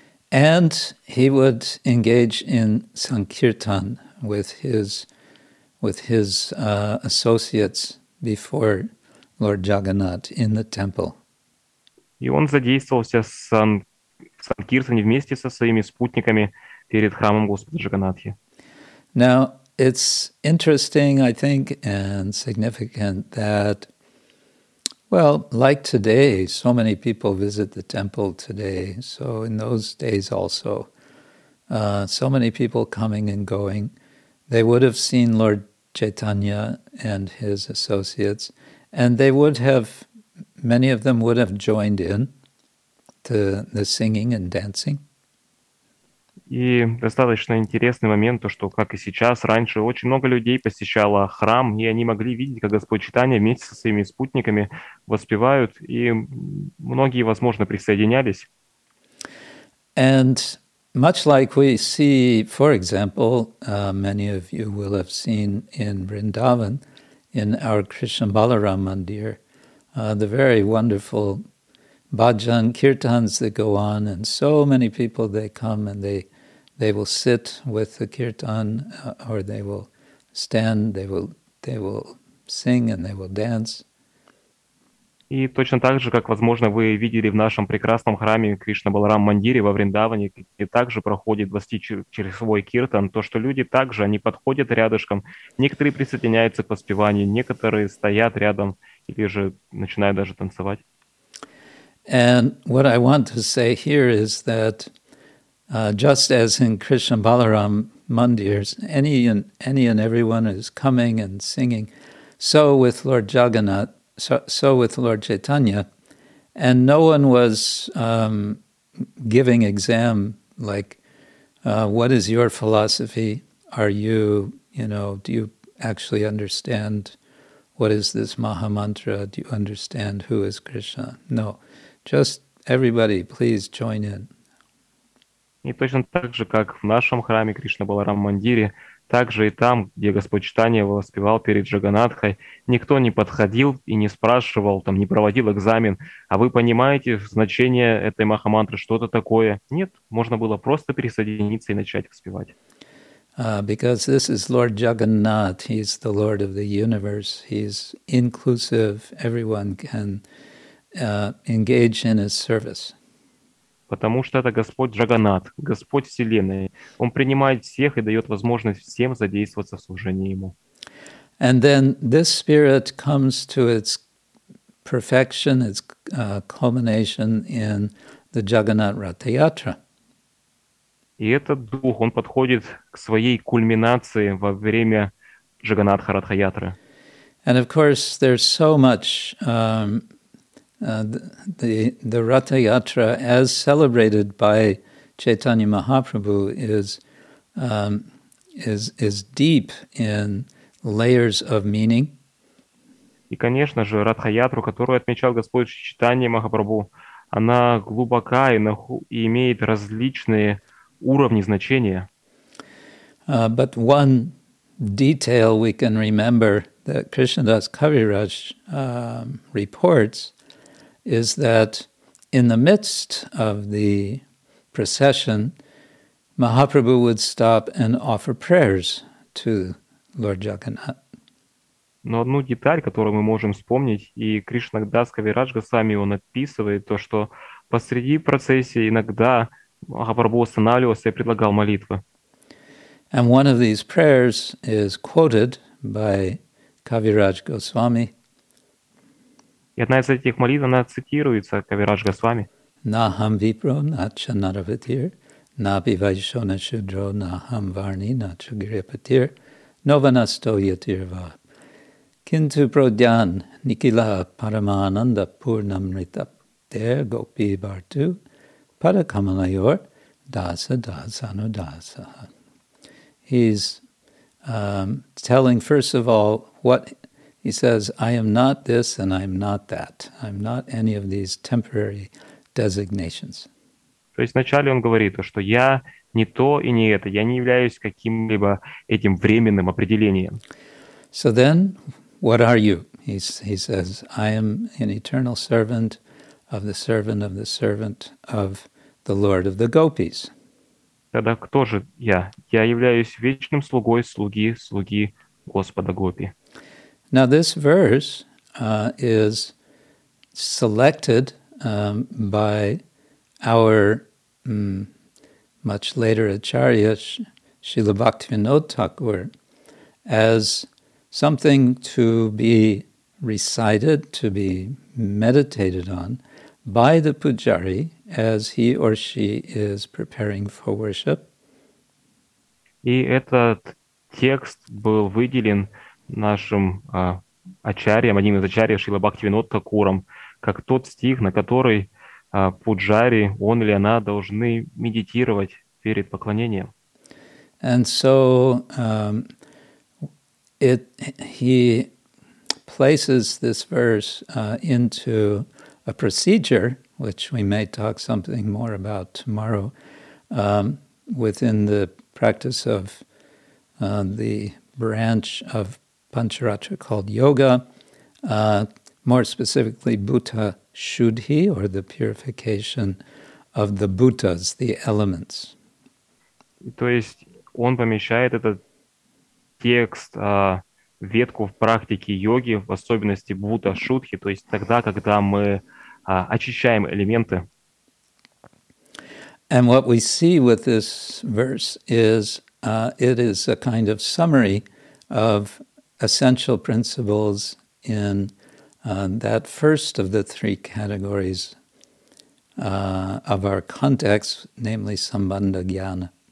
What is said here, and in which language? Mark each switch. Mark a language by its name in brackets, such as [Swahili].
[English] And he would engage in sankirtan with his associates before Lord Jagannath in the temple. [Russian] И он задействовался в санкиртане вместе со своими спутниками перед храмом Господа Джаганнатхи. [English] Now, it's interesting, I think, and significant that, well, like today, so many people visit the temple today. So in those days also, so many people coming and going, they would have seen Lord Chaitanya and his associates, and they would have, many of them would have joined in the singing and dancing. [Russian] И достаточно интересный момент, то, что, как и сейчас, раньше очень много людей посещало храм, и они могли видеть, как Господь Чайтанья вместе со своими спутниками воспевают, и многие, возможно, присоединялись. [English] And much like we see, for example, many of you will have seen in Vrindavan, in our Krishna Balaram Mandir, the very wonderful bhajan kirtans that go on, and so many people, they come and they will sit with the kirtan, or they will stand, they will sing and they will dance. [Russian] И точно так же, как, возможно, вы видели в нашем прекрасном храме Кришна Баларам Мандире во Вриндаване, где также проходит 20-часовой киртан, то, что люди также, они подходят рядышком, некоторые присоединяются к воспеванию, некоторые стоят рядом или же начинают даже танцевать. [English] And what I want to say here is that just as in Krishna Balaram Mandirs, any and everyone is coming and singing, so with Lord Jagannath, So with Lord Chaitanya, and no one was giving exam like, what is your philosophy? Are you, you know, do you actually understand what is this Maha Mantra? Do you understand who is Krishna? No, just everybody, please join in. [Russian] И точно так же, как в нашем храме Кришна Баларам Мандире, так же и там, где Господь Чайтанья воспевал перед Джаганнатхой, никто не подходил и не спрашивал, там, не проводил экзамен, а вы понимаете значение этой махамантры, что-то такое? Нет, можно было просто присоединиться и начать воспевать. [English] Because this is Lord Jagannath, he's the Lord of the universe, he's inclusive, everyone can engage in his service. [Russian] Потому что это Господь Джаганнат, Господь Вселенной. Он принимает всех и дает возможность всем задействоваться в служении Ему. [English] And then this spirit comes to its perfection, its culmination in the Jagannath Rath Yatra. [Russian] И этот дух, он подходит к своей кульминации во время Джаганнатха Рath Yatra. [English] And of course, there's so much the Rath Yatra, as celebrated by Chaitanya Mahaprabhu, is deep in layers of meaning. [Russian] И, конечно же, Рath Yatra, которую отмечал Господь Чайтанья Махапрабху, она глубока и имеет различные уровни значения. [English] But one detail we can remember that Krishnadas Kaviraj reports is that in the midst of the procession, Mahaprabhu would stop and offer prayers to Lord Jagannath. [Russian] Но одну деталь, которую мы можем вспомнить, и Кришна Дас Кавирадж Госвами он описывает, то, что посреди процессии иногда Махапрабху останавливался и предлагал молитвы. [English] And one of these prayers is quoted by Kaviraj Goswami. [Russian] И одна из этих молитв, она цитируется Кавирадж Госвами. [Sanskrit] Нахам випро нача наравитир, наби вайшона шудро нахам варни нача грипатир, нованасто ятирва. Kintu prodyan nikila paramananda purnamrita der gopi bartu parakamalayor dasa dasano dasa. [English] He's telling, first of all, what he says, I am not this and I am not that. I'm not any of these temporary designations. [Russian] То есть вначале он говорит, что я не то и не это, я не являюсь каким-либо этим временным определением. [English] So then, what are you? He says, I am an eternal servant of the servant of the servant of the Lord of the Gopis. [Russian] Тогда кто же я? Я являюсь вечным слугой слуги, слуги Господа Гопи. [English] Now this verse is selected by our much later Acharya, Srila Bhaktivinoda Thakur, as something to be recited, to be meditated on by the pujari as he or she is preparing for worship. [Russian] И этот текст был выделен нашим ачарьям, одним из ачарьев Шрила Бхактивинода Такуром, как тот стих, на который пуджари, он или она, должны медитировать перед поклонением. [English] And so he places this verse into a procedure, which we may talk something more about tomorrow, within the practice of the branch of Pancharatra called yoga, more specifically Bhuta Shuddhi, or the purification of the Bhutas, the elements. [Russian] То есть он помещает этот текст, ветку в практике йоги, в особенности Бхута Шудхи, то есть тогда, когда мы очищаем элементы. [English] And what we see with this verse is it is a kind of summary of essential principles in that first of the three categories of our context, namely Sambandha Jnana.